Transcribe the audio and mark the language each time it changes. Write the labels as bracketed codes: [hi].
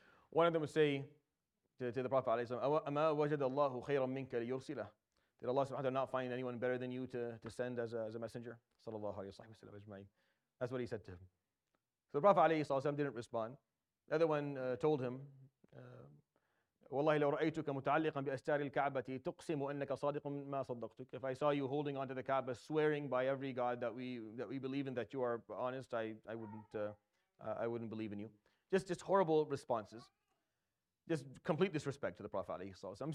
[en] One of them would say to the Prophet, alayhi wa sallam, [ar] أَمَا وَجَدَ اللَّهُ خَيْرًا مِنْكَ لِيُرْسِلَهُ. [en] Did Allah subhanahu wa ta'ala not find anyone better than you to send as a messenger? Sallallahu alayhi wa sallam, ajma'in. That's what he said to him. So the Prophet alayhi wa sallam didn't respond. The other one told him, [ar] وَاللَّهِ لَوْ رَأَيْتُكَ مُتَعَلِّقًا بِأَسْتَارِ الْكَعْبَةِ تُقْسِمُ أَنَّكَ صَادِقٌ مَا صَدَّقْتُكَ. [en] If I saw you holding onto the Kaaba, swearing by every God that we believe in, that you are honest, I wouldn't believe in you. Just horrible responses. Just complete disrespect to the Prophet alayhi salatu wasalam.